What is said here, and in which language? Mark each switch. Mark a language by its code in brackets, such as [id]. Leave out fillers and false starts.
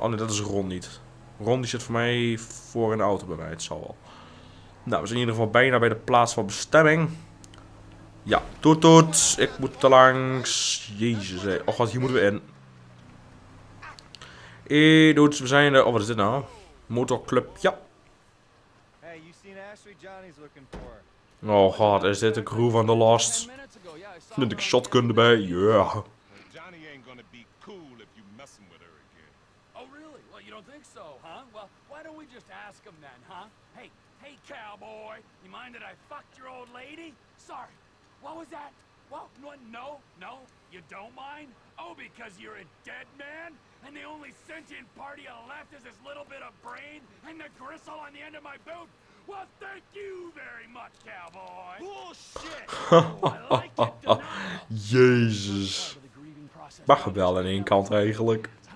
[nl] Oh nee, dat is Ron niet. Ron die zit voor mij voor in de auto bij mij, het zal wel. Nou, we zijn in ieder geval bijna bij de plaats van bestemming. Ja, toet, ik moet te langs. Jezus, hé. Oh god, hier moeten we in. Hé, doet, we zijn er. Oh, wat is dit nou? Motorclub, ja. [en] Hey, you seen Ashley Johnny's looking for? [nl] Oh god, is dit de crew van The Lost? Vind ik shotgun erbij? Ja. [en] Johnny ain't gonna be cool if you messing with her again. Oh really? Well, you You don't think so, huh? Well, why don't we just ask him then, huh? Hey, hey, cowboy, you mind that I fucked your old lady? Sorry, what was that? Well, no, you don't mind? Oh, because you're a dead man? And the only sentient part of you left is this little bit of brain and the gristle on the end of my boot? Well, thank you very much, cowboy. Bullshit. Oh, I like it, denial. [nl] Jezus. Mag wel aan één kant eigenlijk.